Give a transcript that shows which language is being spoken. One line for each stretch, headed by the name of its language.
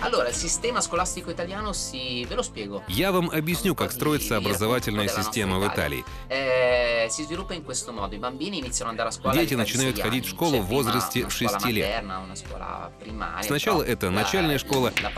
Russian: Система
Italian: scolastico italiano si ve lo spiego.
Russian: Я вам объясню, как строится образовательная система в Италии.
Italian: Si sviluppa in questo modo. I bambini iniziano ad andare a scuola.
Russian: Дети начинают ходить в школу в возрасте 6 лет. Сначала это начальная школа.